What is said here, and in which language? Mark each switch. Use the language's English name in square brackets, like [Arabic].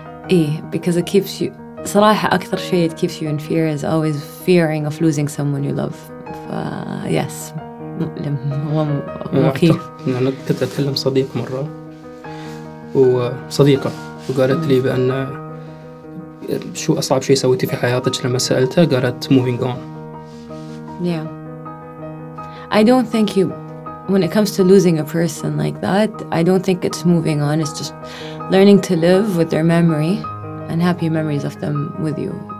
[English] إيه, because it keeps you. [Arabic] صراحة أكثر شيء [English] it keeps you in fear is always fearing of losing someone you love. [Arabic] Yes. مؤلم. ومخيف. أنا كنت أتكلم صديق مرة وصديقة وقالت لي بأن شو أصعب شيء سويتي في حياتك لما سألتها قالت moving on. [English] Yeah. I don't think you. When it comes to losing a person like that, I don't think it's moving on. It's just learning to live with their memory and happy memories of them with you.